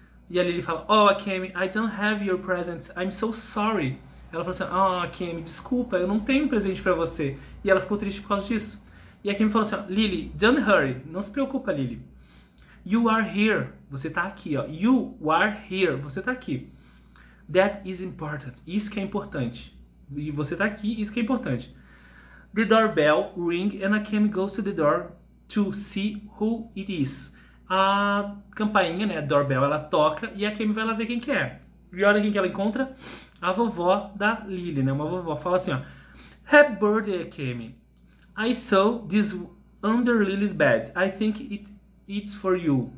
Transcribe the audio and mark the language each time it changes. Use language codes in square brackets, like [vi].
[pt] E ali ele fala, [en] oh, Kemi, I don't have your present. I'm so sorry. [pt] Ela fala assim, oh, Kemi, desculpa, eu não tenho presente para você. E ela ficou triste por causa disso. E a Kemi falou assim, Lily, [en] don't hurry. [pt] Não se preocupa, Lily. [en] You are here. [pt] Você tá aqui, ó. [en] You are here. [pt] Você tá aqui. [en] That is important. [pt] Isso que é importante. E você tá aqui, isso que é importante. [en] The doorbell ring and a Kemi goes to the door to see who it is. [pt] A campainha, né, a doorbell, ela toca e a Kemi vai lá ver quem que é. E olha quem que ela encontra? A vovó da Lily, né, uma vovó. Fala assim, ó. [en] Happy birthday, Kemi. I saw this under Lily's bed. I think it's for you.